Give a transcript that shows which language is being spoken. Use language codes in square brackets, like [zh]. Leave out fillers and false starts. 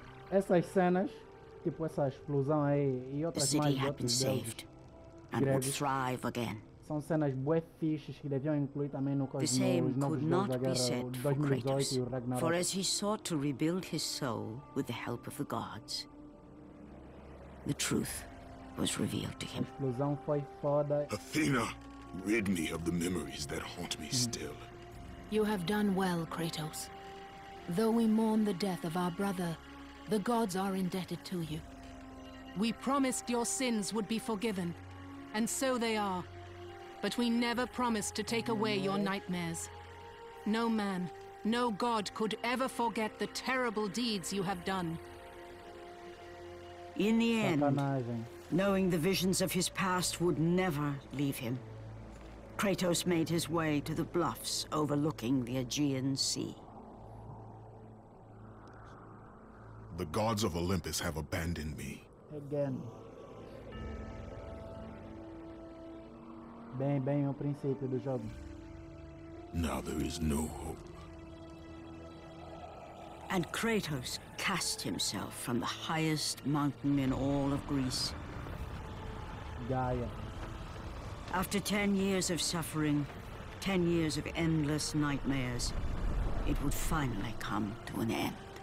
[pt] Essas cenas, tipo essa explosão aí e outras mais, outros deuses. [en] And would thrive again. [pt] São cenas bué fixes que deviam incluir também no cosmos, os novos deuses da guerra, o 2018 e o Ragnarok. [en] For as he sought to rebuild his soul with the help of the gods, the truth was revealed to him. [pt] A explosão foi foda. [en] Athena, rid me of the memories that haunt me still. You have done well, Kratos. Though we mourn the death of our brother, the gods are indebted to you. We promised your sins would be forgiven. And so they are. But we never promised to take away your nightmares. No man, no god could ever forget the terrible deeds you have done. In the end, knowing the visions of his past would never leave him, Kratos made his way to the bluffs overlooking the Aegean Sea. The gods of Olympus have abandoned me. Again. [pt] Bem ao princípio do jogo. [en] Now there is no hope. And Kratos cast himself from the highest mountain in all of Greece. Gaia. After 10 years of suffering, 10 years of endless nightmares, it would finally come to an end.